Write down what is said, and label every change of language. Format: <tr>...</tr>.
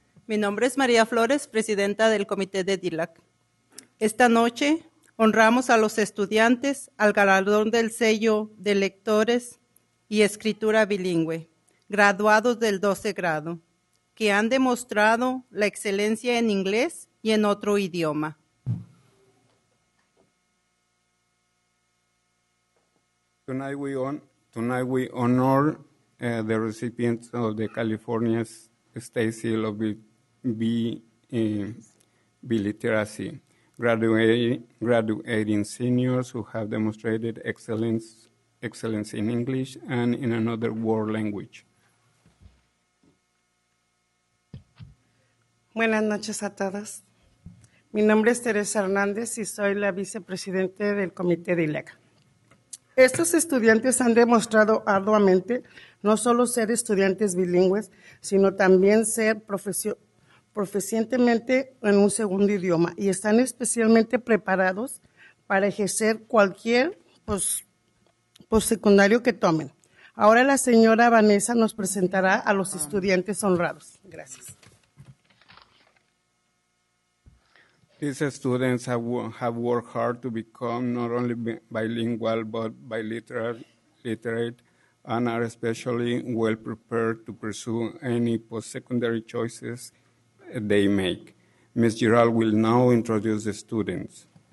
<es>Mi nombre es María Flores, presidenta del Comité de DILAC. Esta noche honramos a los estudiantes al galardón del sello de lectores y escritura bilingüe, graduados del 12 grado, que han demostrado la excelencia en inglés y en otro idioma.</es> <en>Tonight we honor the recipients of the California State Seal of Biliteracy, graduating seniors who have demonstrated excellence in English and in another world language.</en> <es>Buenas noches a todas. Mi nombre es Teresa Hernández y soy la vicepresidente del Comité de ILEC. Estos estudiantes han demostrado arduamente no solo ser estudiantes bilingües, sino también ser proficientemente en un segundo idioma y están especialmente preparados para ejercer cualquier postsecundario que tomen. Ahora la señora Vanessa nos presentará a los estudiantes honrados. Gracias.</es> <en>These students have worked hard to become not only bilingual, but biliterate, and are especially well prepared to pursue any post-secondary choices they make. Ms. Giral will now introduce the students.</en>